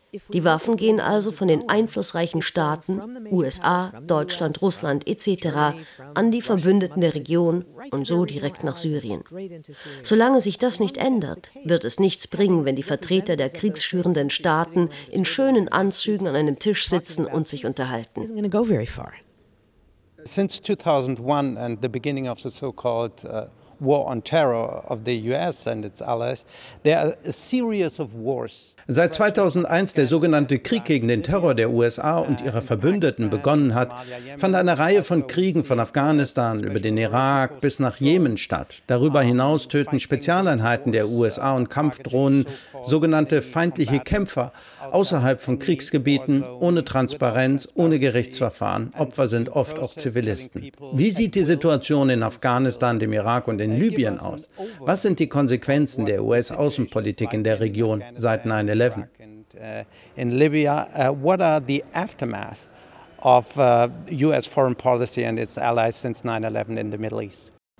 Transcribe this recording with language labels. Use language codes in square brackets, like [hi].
[de] Die Waffen gehen also von den einflussreichen Staaten, USA, Deutschland, Russland etc., an die Verbündeten der Region und so direkt nach Syrien. Solange sich das nicht ändert, wird es nichts bringen, wenn die Vertreter der kriegsschürenden Staaten in schönen Anzügen an einem Tisch sitzen und sich unterhalten. [en] Since 2001 and the beginning of the so-called War on Terror of the US and its allies, there are a series of wars. [de] Seit 2001 der sogenannte Krieg gegen den Terror der USA und ihrer Verbündeten begonnen hat, fand eine Reihe von Kriegen von Afghanistan über den Irak bis nach Jemen statt. Darüber hinaus töten Spezialeinheiten der USA und Kampfdrohnen sogenannte feindliche Kämpfer außerhalb von Kriegsgebieten, ohne Transparenz, ohne Gerichtsverfahren. Opfer sind oft auch Zivilisten. Wie sieht die Situation in Afghanistan, dem Irak und in Libyen aus? Was sind die Konsequenzen der US-Außenpolitik in der Region seit 9/11? [en] In Libya, what are the aftermath of US foreign policy and its allies since 9/11 in the Middle East?